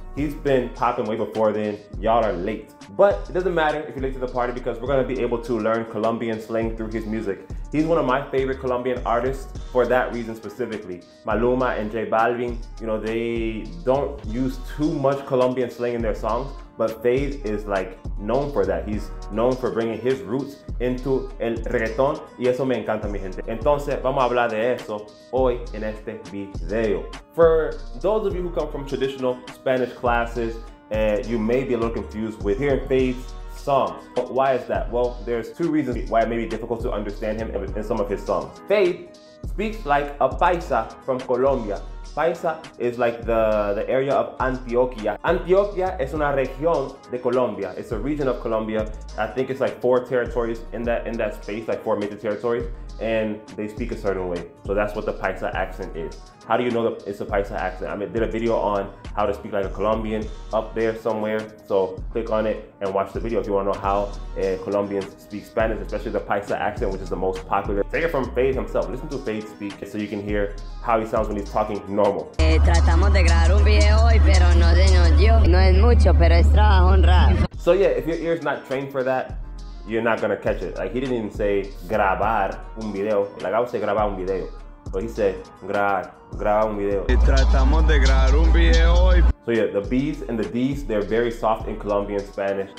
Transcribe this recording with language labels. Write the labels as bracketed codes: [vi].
[en] He's been popping way before then. Y'all are late. But it doesn't matter if you're late to the party because we're gonna be able to learn Colombian slang through his music. He's one of my favorite Colombian artists for that reason specifically. Maluma and J Balvin, you know, they don't use too much Colombian slang in their songs, but Feid is like known for that. He's known for bringing his roots into [es] el reggaeton, y eso me encanta, mi gente. Entonces, vamos a hablar de eso hoy en este video. [en] For those of you who come from traditional Spanish classes, you may be a little confused with hearing Feid's songs. But why is that? Well, there's two reasons why it may be difficult to understand him in some of his songs. Feid speaks like a paisa from Colombia. Paisa is like the area of Antioquia. [es] Antioquia es una región de Colombia. [en] It's a region of Colombia. I think it's like four territories in that space, like four major territories, and they speak a certain way. So that's what the paisa accent is. How do you know that it's a paisa accent? I mean, did a video on how to speak like a Colombian up there somewhere. So click on it and watch the video if you want to know how Colombians speak Spanish, especially the paisa accent, which is the most popular. Take it from Feid himself. Listen to Feid speak so you can hear how he sounds when he's talking normal. [es] Tratamos de grabar un video hoy, pero no se nos dio. No es mucho, pero es trabajo honrado. [en] So yeah, if your ear's not trained for that, you're not gonna catch it. Like, he didn't even say [es] grabar un video. [en] Like, I would say grabar un video. But he said, [es] graba un video. Tratamos de grabar un video hoy. [en] So yeah, the B's and the D's, they're very soft in Colombian Spanish.